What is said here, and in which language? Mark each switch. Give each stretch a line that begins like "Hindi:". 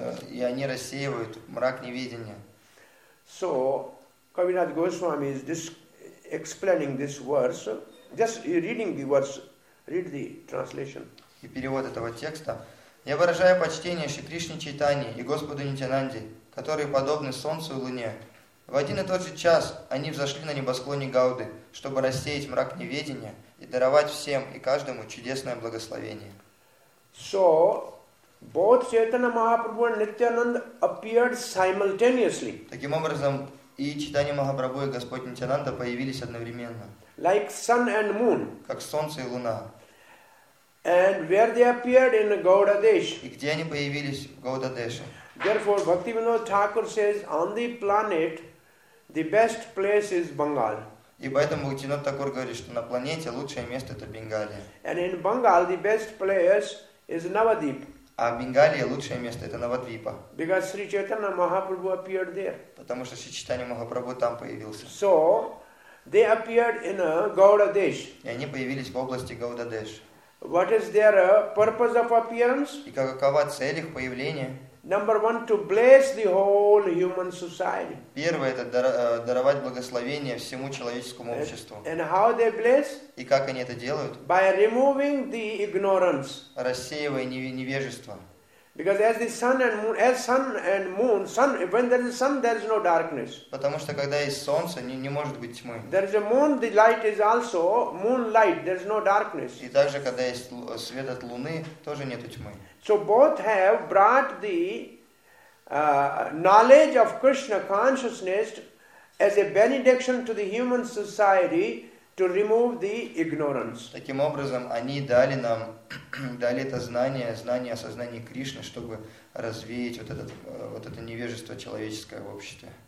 Russian: И они рассеивают мрак неведения.
English: So, Kaviraj Goswami is explaining this verse. Just reading the verse, read the translation.
Russian: И перевод этого текста. Я выражаю почтение Шри Кришне Чайтанье и Господу Нитянанде, которые подобны солнцу и луне. В один и тот же час они взошли на небосклоне Гауды, чтобы рассеять мрак неведения и даровать всем и каждому чудесное благословение.
English: So, both Chaitanya Mahaprabhu and Nityananda appeared simultaneously.
Russian: Таким образом, и Чайтанья Махапрабху и Господь Нитянанда появились одновременно.
English: Like sun and moon.
Russian: Как солнце и луна.
English: And where they appeared in Gaura Desh.
Russian: И где они появились в Gaura Desh.
English: Therefore, Bhaktivinoda Thakur says, on the planet, the best place is Bengal.
Russian: И поэтому Бхактивинода Такур говорит, что на планете лучшее место это Бенгалия.
English: And in Bengal, the best place is Navadvip.
Russian: А в Бенгалии лучшее место это Навадвипа.
English: Because Sri Chaitanya Mahaprabhu appeared there.
Russian: Потому что Шри Чайтанья Махапрабху там появился.
English: So, they appeared in Gaura Desh.
Russian: И они появились в области Gaura Desh.
English: What is their purpose of appearance?
Russian: И какова цель их появления?
English: Number one, to bless the whole human society.
Russian: Первое, это даровать благословение всему человеческому обществу.
English: And how they bless?
Russian: И как они это делают?
English: By removing the ignorance.
Russian: Рассеивая невежество.
English: Because as the sun and moon, when there is sun, there is no darkness.
Russian: Потому что когда есть солнце, не может быть тьмы.
English: There is a moon, the light is also moonlight. There is no darkness.
Russian: И также когда есть свет от луны, тоже нет тьмы.
English: So both have brought the knowledge of Krishna consciousness as a benediction to the human society to remove the ignorance.
Russian: Таким образом, они дали нам дали это знание о сознании Кришны, чтобы развеять вот это невежество человеческое в обществе.